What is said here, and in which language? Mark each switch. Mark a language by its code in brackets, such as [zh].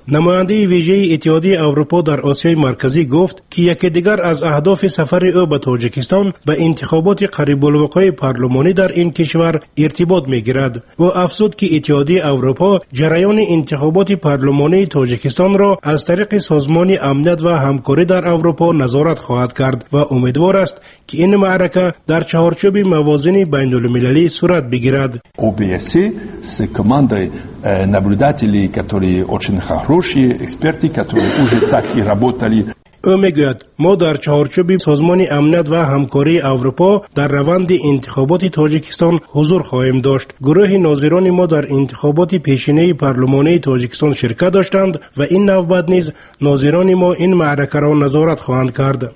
[fa] نماینده ویژه اتحادیه اروپا در آسیای مرکزی گفت که یکی دیگر از اهداف سفر او به تاجیکستان به انتخابات قریب الوقوع پارلمانی در این کشور ارتباط میگیرد. او افزود که اتحادیه اروپا جریان انتخابات پارلمانی تاجیکستان را از طریق سازمان امنیت و همکاری در اروپا نظارت خواهد کرد و امیدوار است که این معرکه در چهارچوب موازنه بین المللی صورت بگیرد. [ru] OBSE с командой наблюдателей, которые очень хорошие эксперты, которые уже так и работали. [fa] او میگوید ما در چهارچوب سازمان امنیت و همکاری اروپا در روند انتخابات تاجیکستان حضور خواهیم داشت. گروه ناظران ما در انتخابات پیشینه پارلمانی تاجیکستان شرکت داشتند و این نوبت نیز ناظران ما این معرکه را نظارت خواهند کرد.